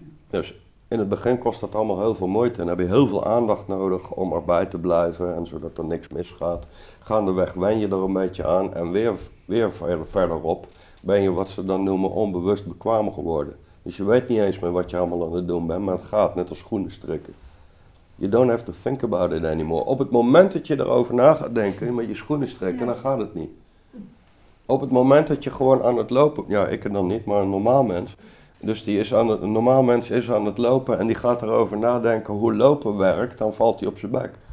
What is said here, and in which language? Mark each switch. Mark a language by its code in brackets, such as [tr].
[nl] Dus in het begin kost dat allemaal heel veel moeite. En heb je heel veel aandacht nodig om erbij te blijven. En zodat er niks misgaat. Gaandeweg wen je er een beetje aan en weer verderop ben je wat ze dan noemen onbewust bekwaam geworden. Dus je weet niet eens meer wat je allemaal aan het doen bent, maar het gaat net als schoenen strikken. [en] You don't have to think about it anymore. [nl] Op het moment dat je erover na gaat denken, met je schoenen strikken, ja, dan gaat het niet. Op het moment dat je gewoon aan het lopen, ja, ik dan niet, maar een normaal mens. Dus een normaal mens is aan het lopen en die gaat erover nadenken hoe lopen werkt, dan valt hij op zijn bek.